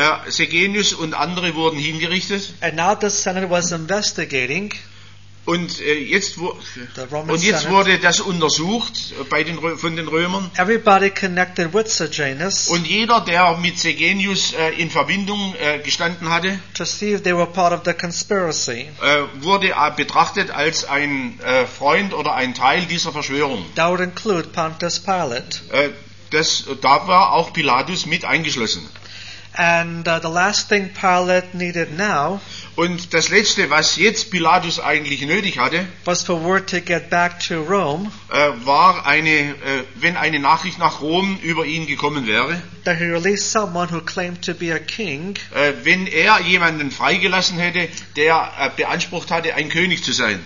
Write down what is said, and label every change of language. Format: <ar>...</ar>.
<de>Sejanus und andere wurden hingerichtet.</de> <en>And now the Senate was investigating.</en> <de>Und jetzt wurde das untersucht von den Römern.</de> <en>Everybody connected with Sejanus.</en> <de>Und jeder, der mit Sejanus in Verbindung gestanden hatte,</de> <en>to see if they were part of the conspiracy.</en> <de>Wurde betrachtet als ein Freund oder ein Teil dieser Verschwörung.</de> <en>That would include Pontius Pilate.</en> <de>Da war auch Pilatus mit eingeschlossen.</de> <en>And the last thing Pilate needed now.</en> <de>Und das Letzte, was jetzt Pilatus eigentlich nötig hatte,</de> <en>was for word to get back to Rome,</en> <de>wenn eine Nachricht nach Rom über ihn gekommen wäre,</de> <en>that he released someone who claimed to be a king,</en> <de>wenn er jemanden freigelassen hätte, der beansprucht hatte, ein König zu sein,</de>